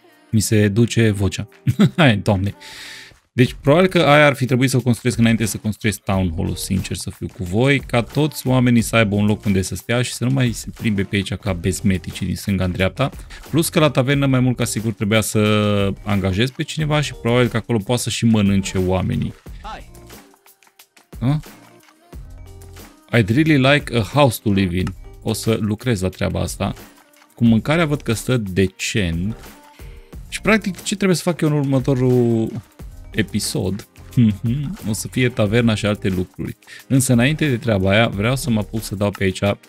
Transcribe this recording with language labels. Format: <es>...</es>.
<ro>Mi se duce vocea. Hai, Doamne! Deci, probabil că aia ar fi trebuit să o construiesc înainte să construiesc town hall-ul, sincer să fiu cu voi, ca toți oamenii să aibă un loc unde să stea și să nu mai se plimbe pe aici ca bezmetici din stânga în dreapta. Plus că la tavernă, mai mult ca sigur, trebuia să angajez pe cineva și probabil că acolo poate să și mănânce oamenii.</ro> <en>I'd really like a house to live in.</en> <ro>O să lucrez la treaba asta. Cu mâncarea văd că stă decent. Și practic ce trebuie să fac eu în următorul episod? O să fie taverna și alte lucruri. Însă înainte de treaba aia vreau să mă apuc să dau pe aici.</ro>